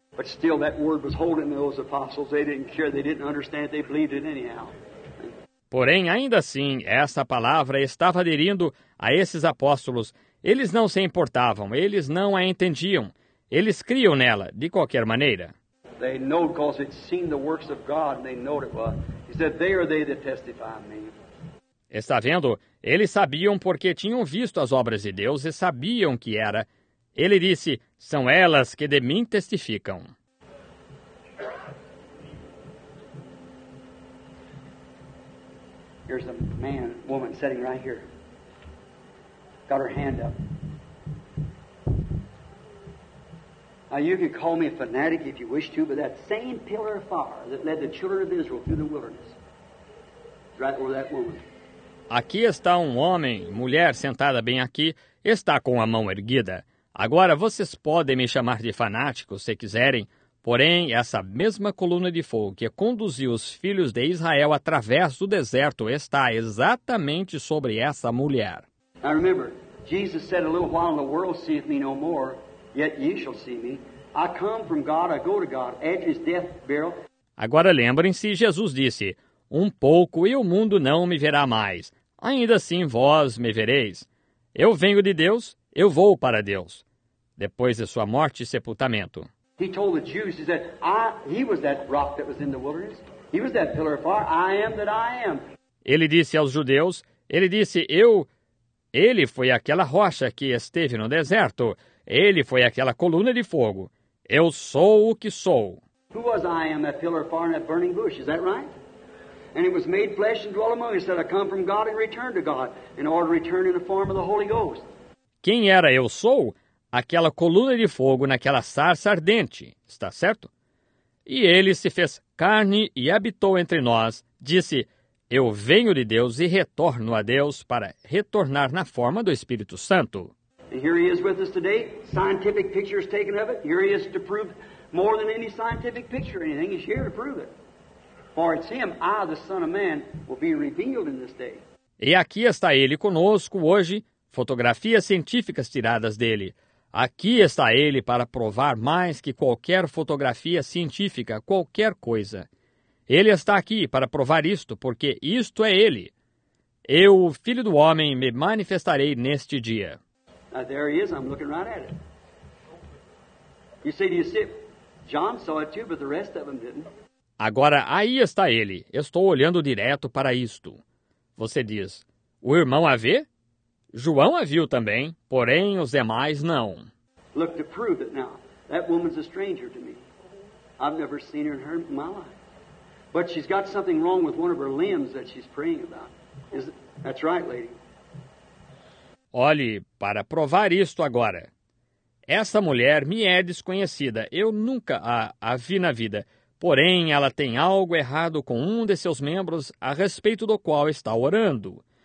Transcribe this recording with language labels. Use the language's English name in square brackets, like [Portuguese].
[English] But still that word was holding those apostles. They didn't care, they didn't understand, they believed it anyhow. [Portuguese] Porém, ainda assim, essa palavra estava aderindo a esses apóstolos. Eles não se importavam, eles não a entendiam. Eles criam nela, de qualquer maneira. [English] They know because they'd seen the works of God and they know it was. He said, they are they that testify me. [Portuguese] Está vendo? Eles sabiam porque tinham visto as obras de Deus e sabiam que era. Ele disse, são elas que de mim testificam. [English] Here's a man, woman sitting right here. Got her hand up. Now you can call me a fanatic if you wish to, but that same pillar of fire that led the children of Israel through the wilderness is right over that woman. [Portuguese] Aqui está um homem, mulher sentada bem aqui, está com a mão erguida. Agora vocês podem me chamar de fanático se quiserem, porém essa mesma coluna de fogo que conduziu os filhos de Israel através do deserto está exatamente sobre essa mulher. [English] I remember, Jesus said a little while in the world seeth me no more, yet ye shall see me. I come from God, I go to God, edge is death, burial. [Portuguese] Agora lembrem-se, Jesus disse, um pouco e o mundo não me verá mais, ainda assim vós me vereis. Eu venho de Deus, eu vou para Deus. Depois de sua morte e sepultamento. [English] He told the Jews, he said, he was that rock that was in the wilderness. He was that pillar of fire. I am that I am. [Portuguese] Ele disse aos judeus, ele disse, ele foi aquela rocha que esteve no deserto. Ele foi aquela coluna de fogo. Eu sou o que sou. [English] Who was I am, that pillar of fire and that burning bush, is that right? And it was made flesh and dwelt among us, that I come from God and return to God, in order to return in the form of the Holy Ghost. [Portuguese] Quem era eu sou? Aquela coluna de fogo naquela sarça ardente, está certo? E ele se fez carne e habitou entre nós, disse, eu venho de Deus e retorno a Deus para retornar na forma do Espírito Santo. [English] And here he is with us today, scientific pictures taken of it, here he is to prove more than any scientific picture or anything, he's here to prove it. For it's him, I, the Son of Man, will be revealed in this day. [Portuguese] E aqui está ele conosco hoje, fotografias científicas tiradas dele. Aqui está ele para provar mais que qualquer fotografia científica, qualquer coisa. Ele está aqui para provar isto, porque isto é ele. Eu, o Filho do Homem, me manifestarei neste dia. [English] Now, there he is, I'm looking right at it. You see, do you see? John saw it too, but the rest of them didn't. [Portuguese] Agora, aí está ele. Estou olhando direto para isto. Você diz, o irmão a vê? João a viu também, porém os demais não. [English] Look to prove it now. That woman's a stranger to me. I've never seen her in her in my life. But she's got something wrong with one of her limbs that she's praying about. Is that's right, lady. [Portuguese] Olhe, para provar isto agora. Esta mulher me é desconhecida. Eu nunca a vi na vida. Porém, ela tem algo errado com um de seus membros a respeito do qual está orando.